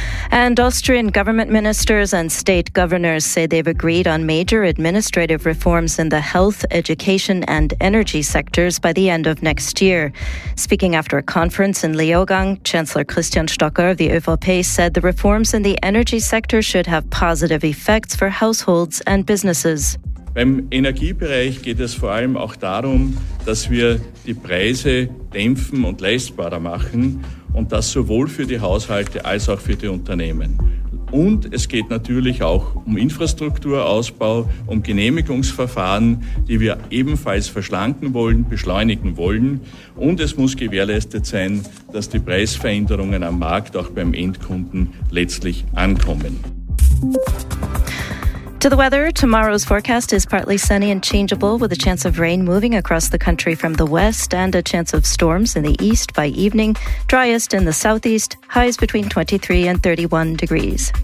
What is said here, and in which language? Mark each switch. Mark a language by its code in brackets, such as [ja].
[en] And Austrian government ministers and state governors say they've agreed on major administrative reforms in the health, education and energy sectors by the end of next year. Speaking after a conference in Leogang, Chancellor Christian Stocker of the ÖVP said the reforms in the energy sector should have positive effects for households and businesses. [de] Beim Energiebereich geht es vor allem auch darum, dass wir die Preise dämpfen und leistbarer machen. Und das sowohl für die Haushalte als auch für die Unternehmen. Und es geht natürlich auch um Infrastrukturausbau, um Genehmigungsverfahren, die wir ebenfalls verschlanken wollen, beschleunigen wollen. Und es muss gewährleistet sein, dass die Preisveränderungen am Markt auch beim Endkunden letztlich ankommen. [en] To the weather, tomorrow's forecast is partly sunny and changeable, with a chance of rain moving across the country from the west and a chance of storms in the east by evening. Driest in the southeast, highs between 23 and 31 degrees.